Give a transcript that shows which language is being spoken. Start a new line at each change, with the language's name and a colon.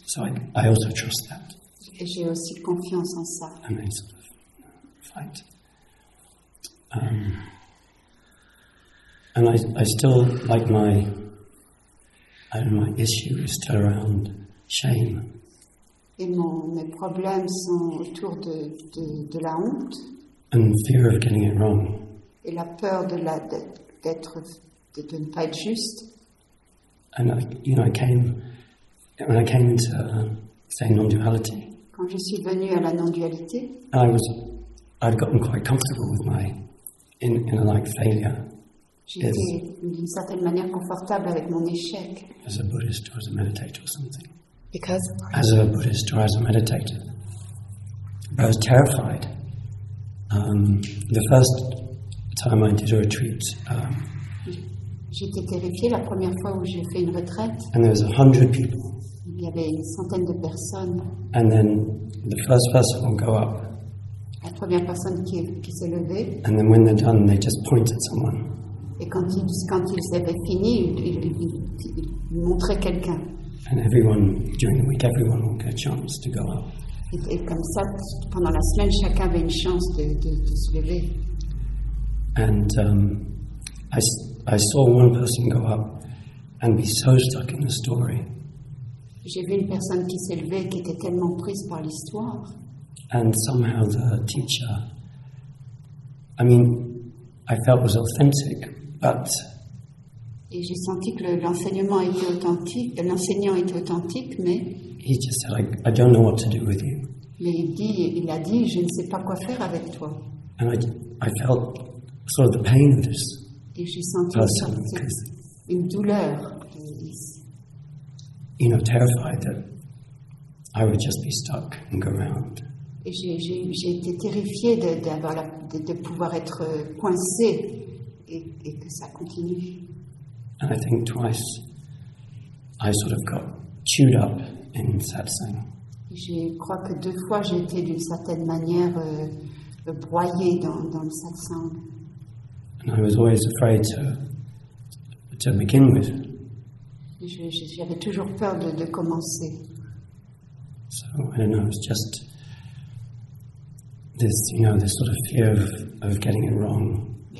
English: So I also trust that.
French: Et j'ai aussi confiance en ça.
English: And I sort of fight. And I still like my, I don't know, my issue is still around shame.
French: Et mes problèmes sont autour de la honte.
English: And fear of getting it wrong.
French: Et la peur de ne pas être juste.
English: And I came into saying non-duality.
French: Quand je suis venue à la non-dualité.
English: I'd gotten quite comfortable with my in a failure.
French: J'étais d'une certaine manière confortable avec mon échec.
English: As a Buddhist or as a meditator or something. Because? As a Buddhist or as a meditator. But I was terrified. The first time I did a retreat.
French: J'étais terrifiée la première fois où j'ai fait une retraite.
English: And there was 100 people.
French: Il y avait une centaine de personnes.
English: And then the first person will go up.
French: La première personne qui s'est levée.
English: And then when they're done, they just point at someone.
French: Et quand ils avaient fini, ils montraient quelqu'un.
English: And everyone during the week, everyone will get a chance to go up.
French: Et comme ça, pendant la semaine, chacun avait une chance de se lever.
English: And I saw one person go up and be so stuck in the story.
French: J'ai vu une personne qui s'est levée, qui était tellement prise par l'histoire.
English: And somehow the teacher, I mean, I felt was authentic. But,
French: et j'ai senti que l'enseignement était authentique, l'enseignant était authentique, mais.
English: He just said, I don't know what to do with you.
French: Mais il a dit, je ne sais pas quoi faire avec toi.
English: And I felt sort of the pain of this.
French: Et j'ai senti une douleur.
English: You know, terrified that I would just be stuck and go round.
French: Et j'ai été terrifiée de pouvoir être coincée. Et que ça continue.
English: And I think twice I sort of got chewed up in satsang.
French: Je crois que deux fois j'ai été d'une certaine manière broyée dans le satsang.
English: And I was always afraid to begin with.
French: J'avais toujours peur de commencer.
English: So I don't know, it's just this, you know, this sort of fear of getting it wrong.